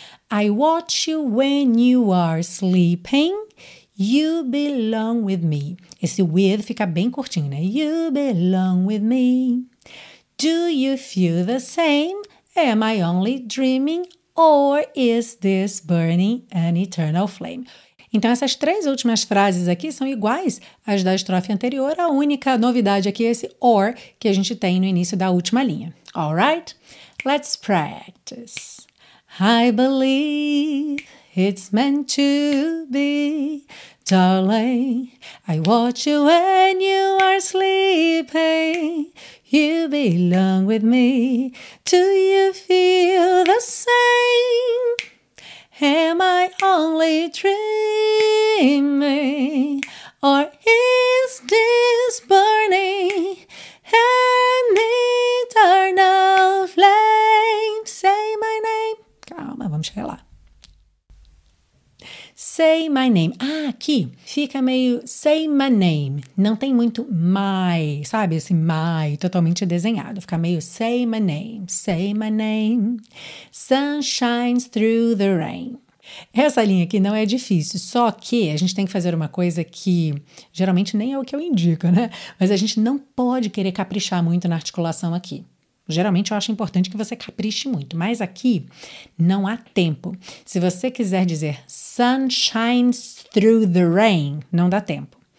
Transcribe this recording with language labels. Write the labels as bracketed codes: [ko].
[en] I watch you when you are sleeping, you belong with me, [pt] esse with fica bem curtinho, né, [en] you belong with me, do you feel the same, am I only dreaming, or is this burning an eternal flame? [pt] Então, essas três últimas frases aqui são iguais às da estrofe anterior. A única novidade aqui é esse or que a gente tem no início da última linha. [en] All right? Let's practice. I believe it's meant to be, darling. I watch you when you are sleeping. You belong with me. Do you feel the same? Am I only dreaming? Or is this burning an eternal flame? Say my name. [pt] Calma, vamos chegar lá. [en] Say my name. [pt] Ah, aqui. fica meio [en] say my name. [pt] Não tem muito my, sabe? Esse my totalmente desenhado. Fica meio [en] say my name, say my name. Sun shines through the rain. [pt] Essa linha aqui não é difícil, só que a gente tem que fazer uma coisa que geralmente nem é o que eu indico, né? Mas a gente não pode querer caprichar muito na articulação aqui. Geralmente eu acho importante que você capriche muito, mas aqui não há tempo. Se você quiser dizer [en] sun shines through the rain, [pt] não dá tempo.